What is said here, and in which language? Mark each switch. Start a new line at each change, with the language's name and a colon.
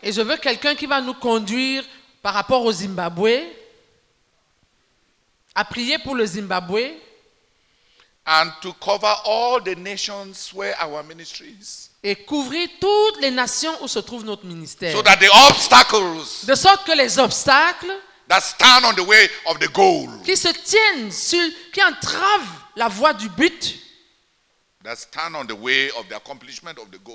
French: Et je veux quelqu'un qui va nous conduire par rapport au Zimbabwe à prier pour le Zimbabwe.
English: And to cover all the nations where our ministry is.
French: Et couvrir toutes les nations où se trouve notre ministère.
English: So that the obstacles,
French: de sorte que les obstacles
English: that stand on the way of the goal,
French: qui se tiennent sur, qui entravent la voie du but,
English: that stand on the way of the accomplishment of the goal,